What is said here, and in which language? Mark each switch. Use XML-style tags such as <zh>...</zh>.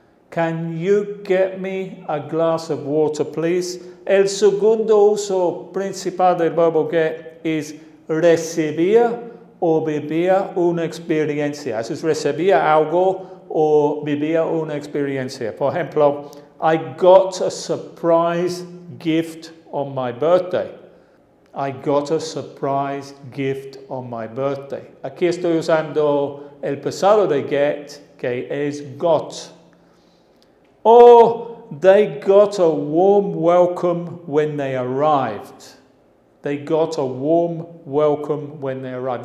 <en>Can you get me a glass of water, please?</en> <es>El segundo uso principal del verbo get es recibir o vivir una experiencia. Eso es recibir algo o vivir una experiencia. Por ejemplo,</es> <en>I got a surprise gift on my birthday. I got a surprise gift on my birthday.</en> <es>Aquí estoy usando el pasado de get, que es got.</es> <en>Oh, they got a warm welcome when they arrived. They got a warm welcome when they arrived.</en>